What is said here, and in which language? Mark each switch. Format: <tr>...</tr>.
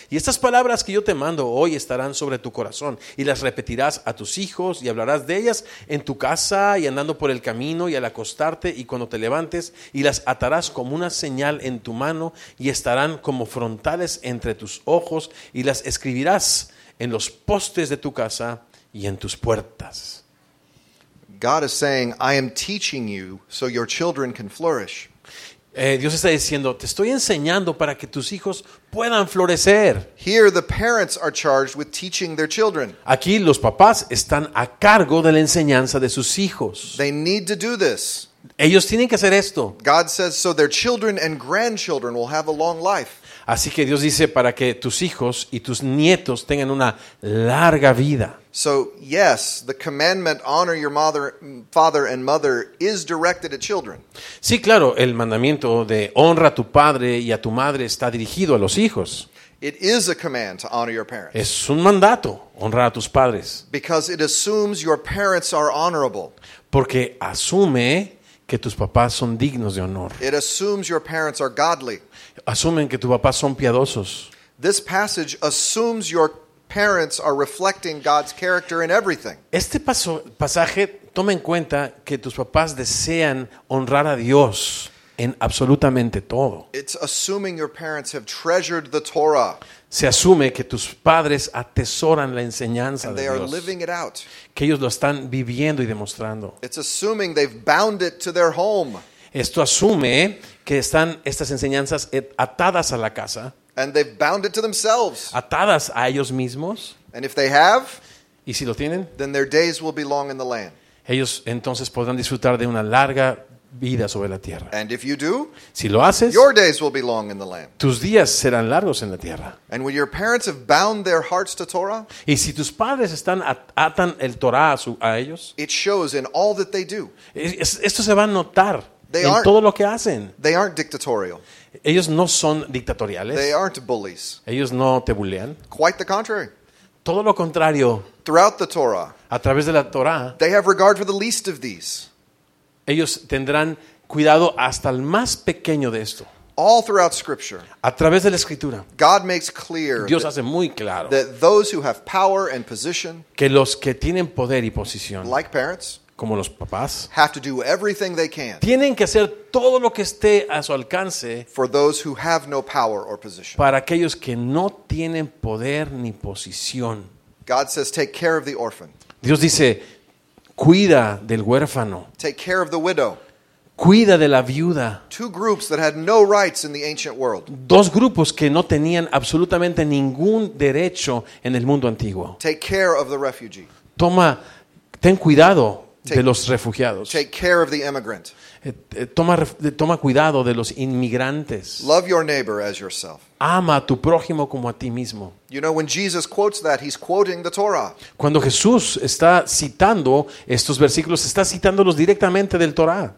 <es>Y estas palabras que yo te mando hoy estarán sobre tu corazón y las repetirás a tus hijos y hablarás de ellas en tu casa y andando por el camino y al acostarte y cuando te levantes y las atarás como una señal en tu mano y estarán como frontales entre tus ojos y las escribirás en los postes de tu casa y en tus puertas.</es> <en>God is saying, I am teaching you so your children can flourish.</en> <es>Dios está diciendo, te estoy enseñando para que tus hijos puedan florecer.</es> <en>Here the parents are charged with teaching their children.</en> <es>Aquí los papás están a cargo de la enseñanza de sus hijos.</es> <en>They need to do this.</en> <es>Ellos tienen que hacer esto.</es> <en>God says so their children and grandchildren will have a long life.</en> <es>Así que Dios dice para que tus hijos y tus nietos tengan una larga vida.</es> <en>So yes, the commandment honor your mother, father and mother is directed at children.</en> <es>Sí, claro, el mandamiento de honra a tu padre y a tu madre está dirigido a los hijos.</es> <en>It is a command to honor your parents.</en> <es>Es un mandato honrar a tus padres.</es> <en>Because it assumes your parents are honorable.</en> <es>Porque asume que tus papás son dignos de honor.</es> <en>It assumes your parents are godly.</en> <es>Asumen que tus papás son piadosos.</es> <en>This passage assumes your parents are reflecting God's character in everything.</en> <es>Este pasaje toma en cuenta que tus papás desean honrar a Dios en absolutamente todo.</es> <en>It's assuming your parents have treasured the Torah.</en> <es>Se asume que tus padres atesoran la enseñanza</es> <en>and Are living it out.</en> <es>Que ellos lo están viviendo y demostrando.</es> <en>It's assuming they've bound it to their home.</en> <es>Esto asume que están estas enseñanzas atadas a la casa.</es> <en>And they've bound it to themselves.</en> <es>Atadas a ellos mismos.</es> <en>And if they have,</en> <es>y si lo tienen,</es> <en>then their days will be long in the land.</en> <es>Ellos entonces podrán disfrutar de una larga vida sobre la tierra.</es> <en>And if you do,</en> <es>si lo haces,</es> <en>your days will be long in the land.</en> <es>Tus días serán largos en la tierra.</es> <en>And when your parents have bound their hearts to Torah,</en> <es>y si tus padres están atan el Torah a ellos,</es> <en>it shows in all that they do.</en> <es>Esto se va a notar en todo lo que hacen.</es> <en>They aren't dictatorial.</en> <es>Ellos no son dictatoriales.</es> <en>They aren't bullies.</en> <es>Ellos no te bullean.</es> <en>Quite the contrary.</en> <es>Todo lo contrario.</es> <en>Throughout the Torah,</en> <es>a través de la Torah,</es> <en>they have regard for the least of these.</en> <es>Ellos tendrán cuidado hasta el más pequeño de esto.</es> <en>All throughout Scripture,</en> <es>a través de la Escritura,</es> <en>God makes clear</en> <es>Dios hace muy claro</es> <en>that those who have power and position,</en> <es>que los que tienen poder y posición,</es> <en>like parents,</en> <es>como los papás,</es> <en>have to do everything they can,</en> <es>tienen que hacer todo lo que esté a su alcance,</es> <en>for those who have no power or position,</en> <es>para aquellos que no tienen poder ni posición.</es> <en>God says, take care of the orphan.</en> <es>Dios dice, cuida del huérfano.</es> <en>Take care of the widow.</en> <es>Cuida de la viuda.</es> <en>Two groups that had no rights in the ancient world.</en> <es>Dos grupos que no tenían absolutamente ningún derecho en el mundo antiguo.</es> <en>Take care of the refugee.</en> <es>Toma, ten cuidado de los refugiados.</es> <en>Take care of the immigrant.</en> <es>Toma cuidado de los inmigrantes.</es> <en>Love your neighbor as yourself.</en> <es>Ama a tu prójimo como a ti mismo.</es> <en>You know, when Jesus quotes that, he's quoting the Torah.</en> <es>Cuando Jesús está citando estos versículos, está citándolos directamente del Torah.</es>